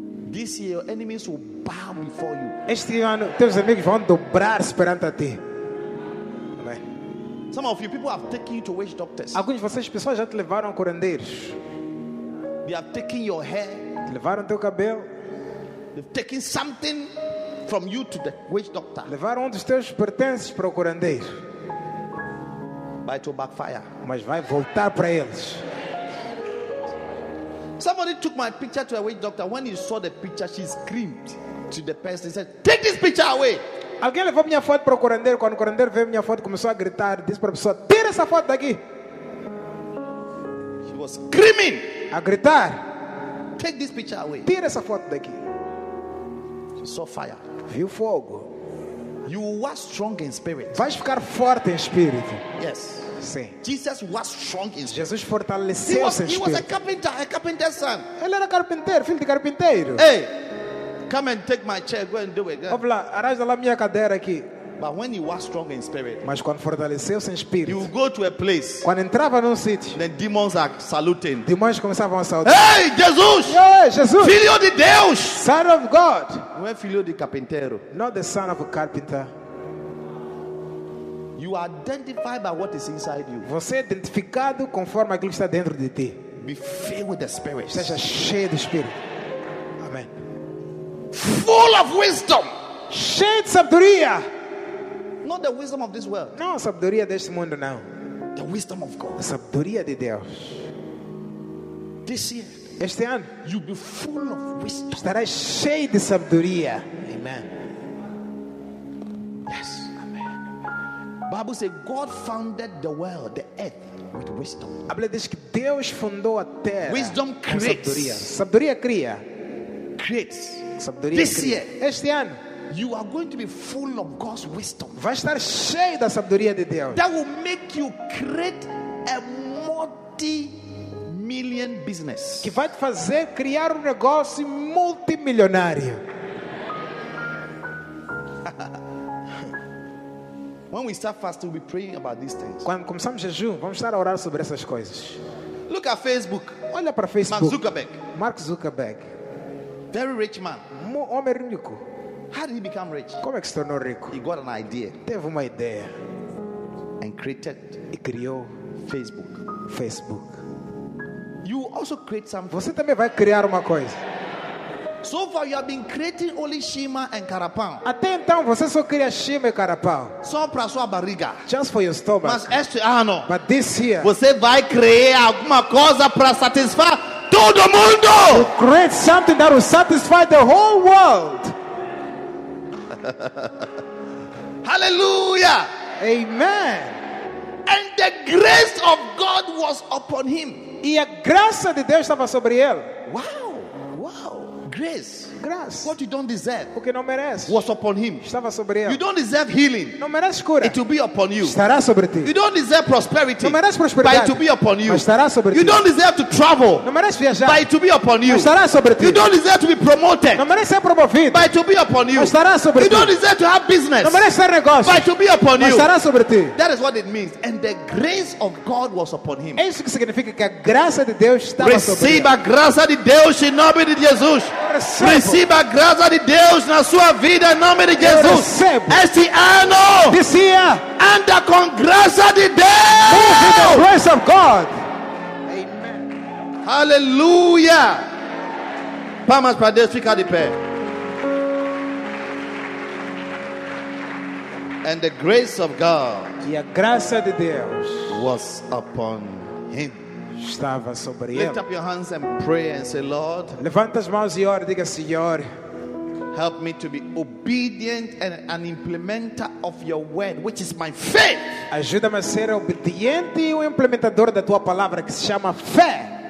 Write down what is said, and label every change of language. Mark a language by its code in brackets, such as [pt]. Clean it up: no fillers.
[en] This year, your enemies will bow before you. [pt] Este ano, teus amigos vão dobrar-se perante a ti. Amém. [en] Some of you people have taken you to witch doctors. [pt] Alguns de vocês pessoas já te levaram a curandeiros. [en] They have taken your hair. [pt] Levaram teu cabelo. [en] They've taken something from you to the witch doctor. [pt] Levaram um dos teus pertences para o curandeiro. [en] But it will backfire. [pt] Mas vai voltar para eles. [en] Somebody took my picture to a witch doctor. When he saw the picture, she screamed to the person. He said, "Take this picture away." [pt] Alguém levou minha foto para o curandeiro. Quando o curandeiro viu minha foto, começou a gritar. Disse para a pessoa, "Tira essa foto daqui." [en] She was screaming. [pt] A gritar. [en] Take this picture away. [pt] Tira essa foto daqui. [en] She saw fire. [pt] Viu fogo. [en] You were strong in spirit. [pt] Vais ficar forte em espírito. [en] Yes. [pt] Sim. [en] Jesus was strong in spirit. [pt] Jesus fortaleceu seu espírito. [en] He was a carpenter, a carpenter's son. [pt] Ele era carpinteiro, filho de carpinteiro. [en] Hey, come and take my chair, go and do it. [pt] Vamos lá, arraja lá minha cadeira aqui. [en] But when he was strong in spirit, [pt] mas quando fortaleceu-se em espírito, [en] you go to a place, [pt] quando entrava num sítio, [en] the demons are saluting. [pt] Demônios começavam a saudar. [en] Hey, Jesus! Hey, Jesus! [pt] Filho de Deus! [en] Son of God! [pt] Não é filho de carpinteiro. [en] Not the son of a carpenter. You are identified by what is inside you. [pt] Você é identificado conforme aquilo que está dentro de ti. [en] Be filled with the spirit. [pt] Seja cheio de espírito. Amém. [en] Full of wisdom. [pt] Cheio de sabedoria. [en] Not the wisdom of this world. [pt] Não, a sabedoria deste mundo não. [en] The wisdom of God. [pt] A sabedoria de Deus. [en] This year, [pt] este ano, [en] you'll be full of wisdom. [pt] Estarás cheio de sabedoria. [en] Amen. Yes. Amen. Bible says God founded the world, the earth, with wisdom. [pt] A Bíblia diz que Deus fundou a terra. [en] Wisdom creates. [pt] Sabedoria cria. [en] Creates. sabedoria this year, [pt] este ano, [en] you are going to be full of God's wisdom. [pt] Vai estar cheio da sabedoria de Deus. [en] That will make you create a multi-million business. [pt] Que vai te fazer criar negócio multimilionário. [en] When we start fasting, we'll be praying about these things. [pt] Quando começamos a jejum, vamos estar a orar sobre essas coisas. [en] Look at Facebook. [pt] Olha para Facebook. [en] Mark Zuckerberg. [pt] Mark Zuckerberg. [en] Very rich man. [pt] Homem rico. [en] How did he become rich? [pt] Como é que se tornou rico? [en] He got an idea. [pt] Teve uma ideia. [en] And created. [pt] E criou [en] Facebook. [pt] Facebook. [en] You also create some. [pt] Você também vai criar uma coisa. [en] So far you have been creating only Shima and Carapau. [pt] Até então você só cria Shima e Carapau. Só para sua barriga. [en] Just for your stomach. [pt] Mas este ano, [en] but this year, [pt] você vai criar alguma coisa para satisfazer todo mundo. [en] You create something that will satisfy the whole world. Hallelujah. Amen. And the grace of God was upon him. [pt] E a graça de Deus estava sobre ele. [en] Wow. Wow. Grace. [pt] Graça. [en] What you don't deserve. [pt] O que não merece. [en] Was upon him. [pt] Estava sobre ele. [en] You don't deserve healing. [pt] Não merece cura. [en] It will be upon you. [pt] Estará sobre ti. [en] You don't deserve prosperity. [pt] Não merece prosperidade. [en] But it will be upon you. [pt] Mas estará sobre ti. [en] You don't deserve to travel. [pt] Não merece viajar. [en] But it will be upon you. [pt] Mas estará sobre ti. [en] You don't deserve to be promoted. [pt] Não merece ser promovido. [en] But it will be upon you. [pt] Mas estará sobre ti. [en] You don't deserve to have business. [pt] Não merece ter negócio. [en] But it will be upon you. [pt] Mas estará sobre ti. [en] That is what it means. And the grace of God was upon him. [pt] É isso que significa que a graça de Deus estava receba sobre ele. Receba a graça de Deus em nome de Jesus. Receba a graça de Deus na sua vida em nome de Jesus. Este ano, [en] this year, [pt] anda com graça de Deus. [en] Move with the grace of God. Amen. Hallelujah. [pt] Palmas para Deus, fica de pé. [en] And the grace of God, [pt] e a graça de Deus, [en] was upon him. [pt] Estava sobre ele. [en] Lift up your hands and pray and say, Lord, [pt] levanta as mãos e ora, diga, Senhor, [en] help me to be obedient and an implementer of your word, which is my faith. [pt] Ajuda-me a ser obediente e um implementador da tua palavra, que se chama fé.